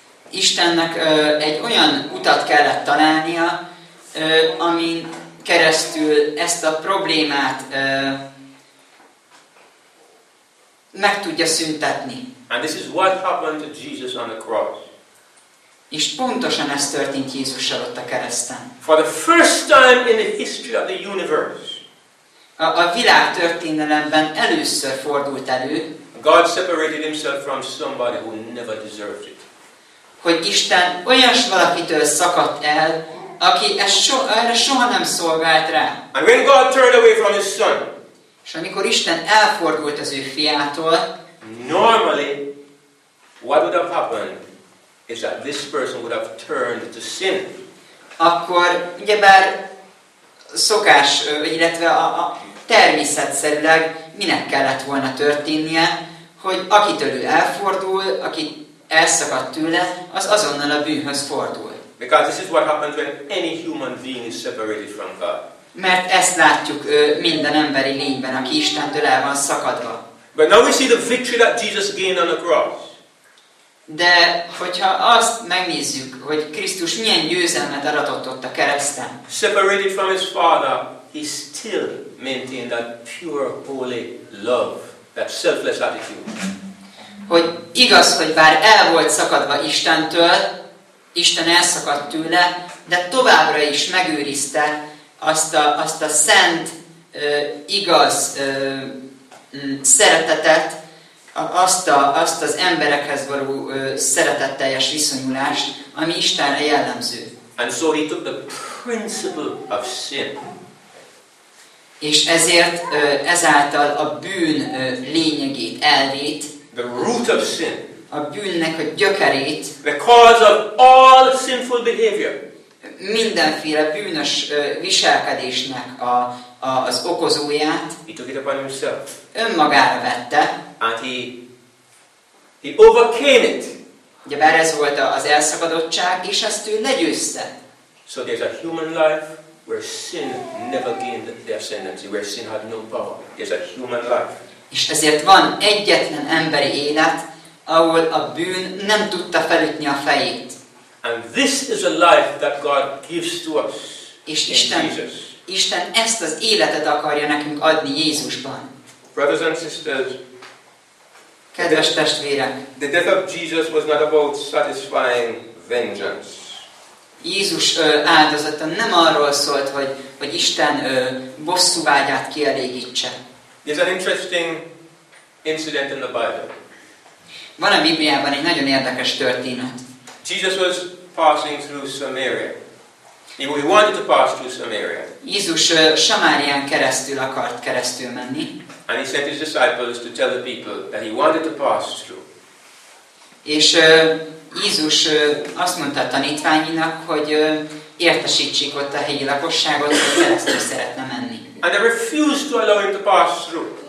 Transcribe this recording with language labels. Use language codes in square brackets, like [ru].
[hu] Istennek egy olyan utat kellett találnia, amin keresztül ezt a problémát meg tudja szüntetni. [en] And this is what happened to Jesus on the cross. [hu] És pontosan ez történt Jézussal ott a kereszten. [en] For the first time in the history of the universe. [hu] A világ történelemben először fordult elő. [en] God separated himself from somebody who never deserved it. [hu] Hogy Isten olyas valakitől szakadt el, aki erre soha nem szolgált rá. [en] And when God turned away from his son. [hu] És amikor Isten elfordult az ő fiától. [en] Normally, what would have happened? Is that this person would have turned to sin. [hu] Akkor ugyebár szokás, illetve a természetszerűleg minek kellett volna történnie, hogy akitől ő elfordul, aki elszakadt tőle, az azonnal a bűnhöz fordul. [en] Because this is what happens when any human being is separated from God. [hu] Mert ezt látjuk minden emberi lényben, aki Istentől el van szakadva. [en] But now we see the victory that Jesus gained on the cross. [hu] De hogyha azt megnézzük, hogy Krisztus milyen győzelmet aratott ott a kereszten. [en] Separated from his father, he still maintained that pure, holy love, that selfless attitude. [hu] Hogy igaz, hogy bár el volt szakadva Istentől, Isten elszakadt tőle, de továbbra is megőrizte azt a szent, igaz szeretetet, azt az emberekhez való szeretetteljes viszonyulást, ami Istenre jellemző. [en] And so he took the principle of sin. [hu] És ezért ezáltal a bűn lényegét, elvét, [en] the root of sin, [hu] a bűnnek a gyökerét, [en] the cause of all sinful behavior, [hu] mindenféle bűnös viselkedésnek az okozóját, [en] he took it upon himself, [hu] önmagára vette, [en] and he overcame it. [hu] Ugyebár ez volt az elszakadottság, és ezt ő legyőzte. [en] So there's a human life where sin never gained the ascendancy, where sin had no power. There's a human life. [hu] És ezért van egyetlen emberi élet, ahol a bűn nem tudta felütni a fejét. [en] And this is a life that God gives to us. [hu] És Isten ezt az életet akarja nekünk adni Jézusban. [en] Brothers and sisters, [hu] kedves testvérek, [en] the death of Jesus was not about satisfying vengeance. [hu] Jézus áldozata nem arról szólt, hogy Isten bosszúvágyát kielégítse. [en] There's an interesting incident in the Bible. [hu] Van a Bibliában egy nagyon érdekes történet. [en] Jesus was passing through Samaria. He wanted to pass through Samaria. [hu] Jézus Samárián keresztül akart keresztül menni. [en] And he sent his disciples to tell the people that he wanted to pass through. [hu] És Jézus azt mondta a tanítványinak, hogy értesítsék ott a helyi lakosságot, hogy keresztül szeretne menni. [en] And they refused to allow him to pass through.